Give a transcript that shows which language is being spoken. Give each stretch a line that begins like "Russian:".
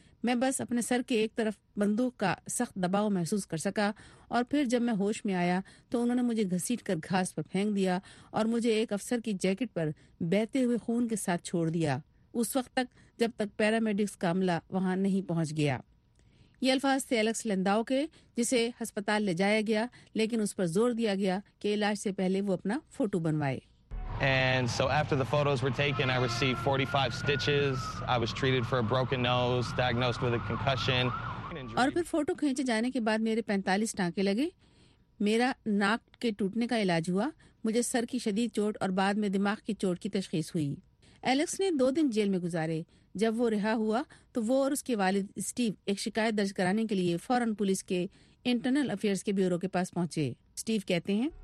Urdu: میں بس اپنے سر کے ایک طرف بندوق کا سخت دباؤ محسوس کر سکا, اور پھر جب میں ہوش میں آیا تو انہوں نے مجھے گھسیٹ کر گھاس پر پھینک دیا, اور مجھے ایک افسر کی جیکٹ پر بہتے ہوئے خون کے ساتھ چھوڑ دیا, اس وقت تک جب تک پیرامیڈکس کا عملہ وہاں نہیں پہنچ گیا. یہ الفاظ تھے الیکس لینداؤ کے, جسے ہسپتال لے جایا گیا لیکن اس پر زور دیا گیا کہ علاج سے پہلے وہ اپنا photo بنوائے.
English: And so after the photos were taken, I received 45 stitches. I was treated for a broken nose, diagnosed with a concussion.
Urdu: اور پھر فوٹو کھینچے جانے کے بعد میرے 45 ٹانکے لگے, میرا ناک کے ٹوٹنے کا علاج ہوا, مجھے سر کی شدید چوٹ اور بعد میں دماغ کی چوٹ کی تشخیص ہوئی. الیکس نے 2 دن جیل میں گزارے. جب وہ رہا ہوا تو وہ اور اس کے والد اسٹیو ایک شکایت درج کرانے کے لیے فوراً پولیس کے انٹرنل افیئرس کے بیورو کے پاس پہنچے. اسٹیو کہتے ہیں,